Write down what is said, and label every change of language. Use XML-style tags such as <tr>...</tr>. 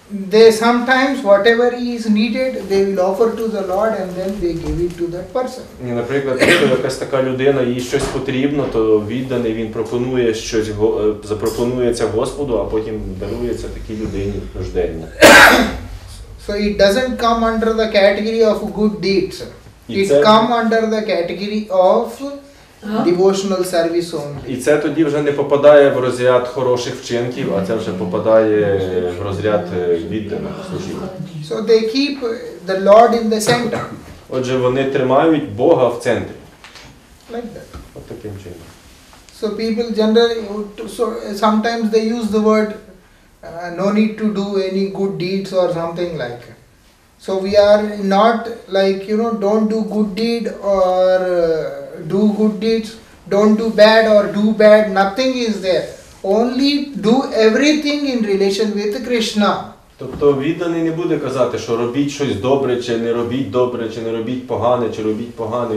<en>They sometimes whatever is needed they will offer to the Lord and then they give it to that person.</en> <uk>Ні, наприклад, якщо якась така людина, їй щось потрібно, то відданий він пропонує щось, запропонується Господу, а потім дарується такій людині нуждені.</uk> <en>So it doesn't come under the category of good deeds. It come under the category of devotional service only.</en> <uk>І це тоді вже не попадає в розряд хороших вчинків, а це вже попадає в розряд відданих служінь.</uk> <en>So they keep the Lord in the center.</en> <uk>Отже, вони тримають Бога в центрі.</uk> <en>Like that.</en> <uk>От таким чином.</uk> <en>So people generally, so sometimes they use the word no need to do any good deeds or something like that. So we are not like, you know, don't do good deed or do good deeds, don't do bad or do bad, nothing is there. Only do everything in relation with Krishna.</en> <uk>Тобто відданий не буде казати, що робіть щось добре, чи не робіть добре, чи не робіть погане, чи робіть погане.</uk>